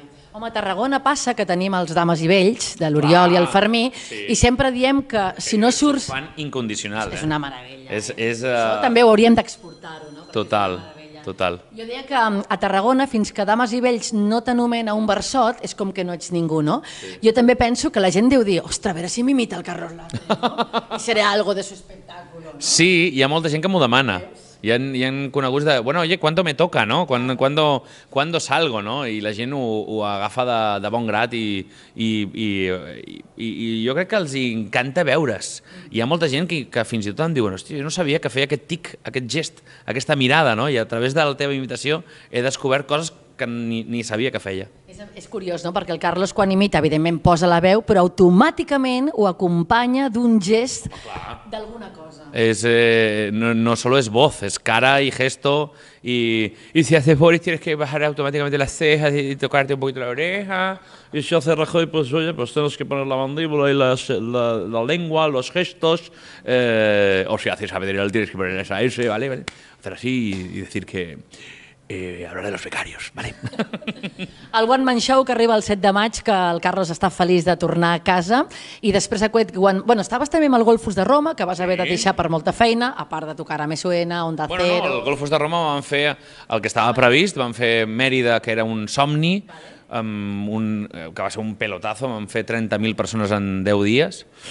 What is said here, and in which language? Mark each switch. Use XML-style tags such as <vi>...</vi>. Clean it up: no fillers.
<ca>Home, a Tarragona passa que tenim els Dames i Vells, de l'Oriol i el Fermí, sí. I sempre diem que si no surts... Fan incondicional. És una meravella. És, això també ho hauríem d'exportar-ho, no? Total, total. Jo deia que a Tarragona, fins que Dames i Vells no t'anomena un versot, és com que no ets ningú, no? Sí. Jo també penso que la gent deu dir, ostres, a veure si m'imita el Carlos Latre, no?</ca> <es>I seré algo de su espectáculo, no?</es> <ca>Sí, hi ha molta gent que m'ho demana. Sí. Hi han coneguts de,</ca> <es>bueno, oye, ¿cuándo me toca, no? ¿Cuándo salgo, no?</es> <ca>I la gent ho agafa de bon grat i jo crec que els encanta veure's. Hi ha molta gent que fins i tot em diuen, hòstia, jo no sabia que feia aquest tic, aquest gest, aquesta mirada, no? I a través de la teva imitació he descobert coses que ni sabia que feia. És curiós, no? Perquè el Carlos quan imita, evidentment posa la veu, però automàticament ho acompanya d'un gest d'alguna cosa.</ca> <es>Es, no solo es voz, es cara y gesto, y si haces Boris tienes que bajar automáticamente las cejas y tocarte un poquito la oreja, y si haces Rajoy pues oye, pues tienes que poner la mandíbula y la lengua, los gestos, o si haces a Pedrerol tienes que poner esa S, ¿vale? ¿Vale? Hacer así y decir que... hablar de los becarios, vale.</es> <ca>El One Man Show que arriba el 7 de maig, que el Carlos està feliç de tornar a casa, i després aquest One... Bueno, estaves també amb el Golfos de Roma, que vas haver de deixar per molta feina, a part de tocar a MSN, Onda Bueno, Cero... Bueno, el Golfos de Roma van fer el que estava previst, van fer Mèrida, que era un somni, vale. Que va ser un pelotazo, van fer 30.000 persones en 10 dies,</ca>